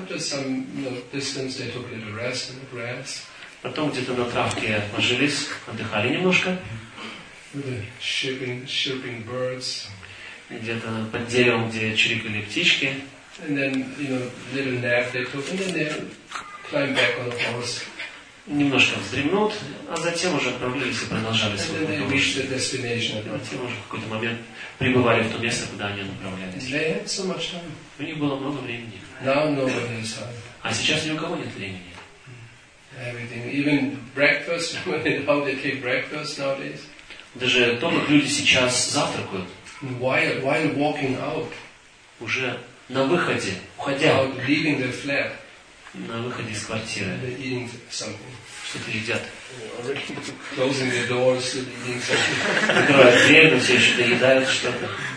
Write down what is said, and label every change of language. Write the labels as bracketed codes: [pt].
[en] After some, you know, distance they took a little rest in the grass. [ru] Потом где-то на травке ложились, отдыхали немножко. [en] With the chirping birds. [ru] Где-то под деревом, где чирикали птички. [en] And then, you know, little nap they took, and then they climbed back on the horse. [ru] Немножко вздремнут, а затем уже отправлялись и продолжали свой путь. [en] And then they reached the destination. [ru] Затем уже в какой-то момент прибывали в то место, куда они направлялись. [en] They had so much time. [ru] У них было много времени. [en] Now nobody has time. [ru] А сейчас ни у кого нет времени. [en] Everything, even breakfast, how they take breakfast nowadays. [ru] Даже то, как люди сейчас завтракают. [en] while walking out, [ru] уже на выходе, уходя, [en] leaving the flat, [ru] на выходе из квартиры, [en] eating something, [ru] что-то едят, [en] closing the doors, eating something, [ru] открывают дверь, но все еще доедают что-то.